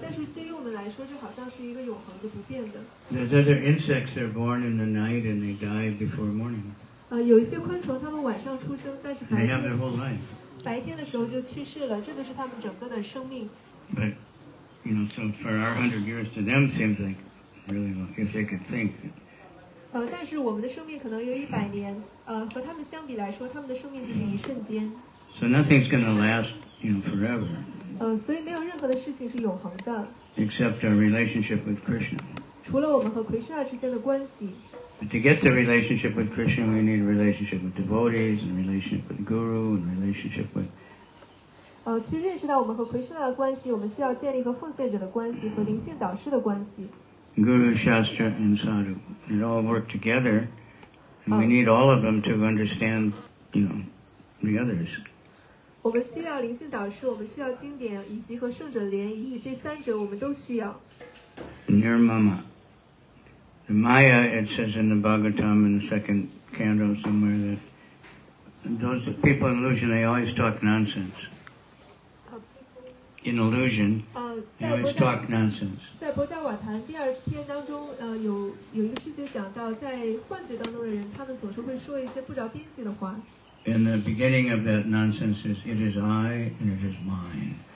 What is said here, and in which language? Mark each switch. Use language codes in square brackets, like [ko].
[zh] 但是对于我们来说，这好像是一个永恒的、不变的。 [en] There's other insects that are born in the night and they die before morning. [zh] 有一些昆虫，它们晚上出生，但是白天。 [en] They have their whole life. [zh] 白天的时候就去世了，这就是它们整个的生命。 [en] But you know, so for our 100 years to them seems like really long, if they could think. [zh] 但是我们的生命可能有100年，和它们相比来说，它们的生命就是一瞬间。 [en] So nothing's going to last, you know, forever. [zh] 所以没有任何的事情是永恒的。 [en] Except our relationship with Krishna. [zh] 除了我们和奎师那之间的关系。 [en] But to get the relationship with Krishna, we need a relationship with devotees, and relationship with guru, and relationship with... [zh] 去认识到我们和奎师那的关系，我们需要建立和奉献者的关系和灵性导师的关系。 [en] Guru, Shastra, and Sadhu, it all work together, and we need all of them to understand, you know, the others. [zh] 我们需要灵性导师，我们需要经典，以及和圣者联谊，这三者我们都需要。 [en] Near Mama, the Maya, it says in the Bhagavatam in the second canto somewhere that those people in illusion, they always talk nonsense. In illusion, they always talk nonsense. [zh] 在《波迦瓦坛》第二篇当中，有一个世界讲到，在幻觉当中的人，他们总是会说一些不着边际的话。 [en] In the beginning of that nonsense is, it is I and it is mine.